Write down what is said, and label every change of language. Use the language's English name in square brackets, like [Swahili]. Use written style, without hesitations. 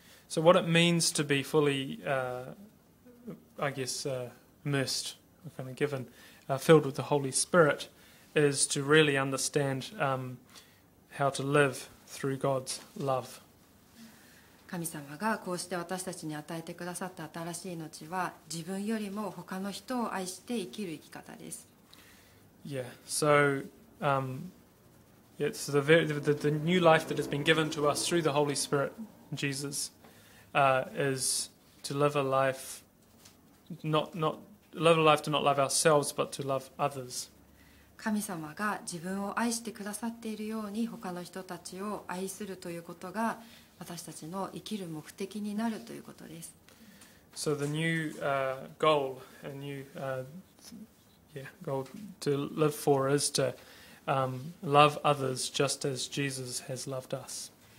[English] So what it means to be fully, immersed, kind of given, filled with the Holy Spirit, is to really understand, how to live through God's love. [Japanese] 神様がこうして私たちに与えてくださった新しい命は自分よりも他の人を愛して生きる生き方です。 [English] Yeah, so, yeah, so the new life that has been given to us through the Holy Spirit, Jesus, is to live a life, not live a life to not love ourselves, but to love others. [Japanese] 神様が自分を愛してくださっているように他の人たちを愛するということが私たちの生きる目的になるということです。 [English] So the new goal, a new goal to live for is to love others just as Jesus has loved us.